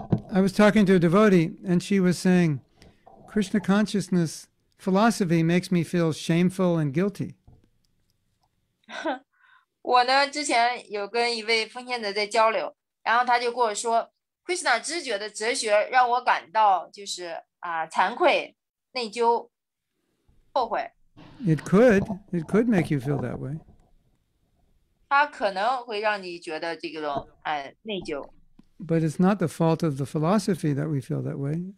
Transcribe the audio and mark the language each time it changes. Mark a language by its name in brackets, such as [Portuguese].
[English] I was talking to a devotee, and she was saying, Krishna consciousness philosophy makes me feel shameful and guilty. [Chinese] 我呢，之前有跟一位奉献者在交流，然后他就跟我说， [English] It could make you feel that way. [Chinese] 它可能会让你觉得这种内疚。 [English] But it's not the fault of the philosophy that we feel that way.